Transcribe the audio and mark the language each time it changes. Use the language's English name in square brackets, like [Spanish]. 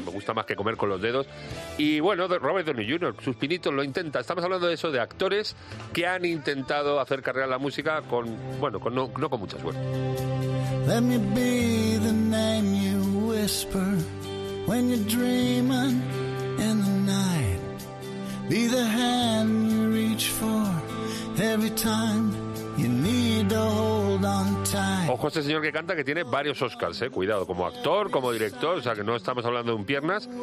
[Spanish] Me gusta más que comer con los dedos. Y bueno, Robert Downey Jr., sus pinitos lo intenta. Estamos hablando de eso, de actores que han intentado hacer carrera en la música con, bueno, con, no, no con mucha suerte. [English] Let me be the name you whisper when you're dreaming in the night. Be the hand you reach for every time you need to hold on tight. [Spanish] Ojo a este señor que canta, que tiene varios Oscars, cuidado, como actor, como director, o sea que no estamos hablando de un piernas.